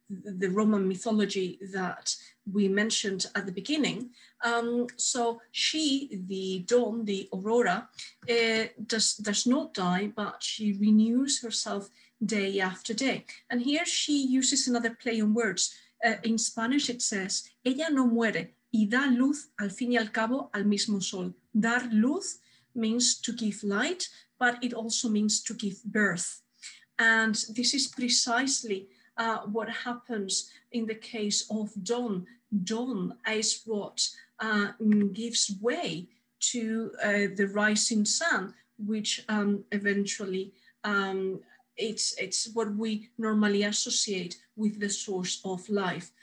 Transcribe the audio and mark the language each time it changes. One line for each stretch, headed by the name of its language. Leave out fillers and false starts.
English: the Roman mythology that we mentioned at the beginning. So she, the dawn, the aurora, does not die, but she renews herself day after day. And here she uses another play on words. In Spanish it says,
Spanish: ella no muere y da luz al fin y al cabo al mismo sol.
English: Dar luz means to give light, but it also means to give birth. And this is precisely what happens in the case of dawn. Dawn is what gives way to the rising sun, which eventually it's what we normally associate with the source of life.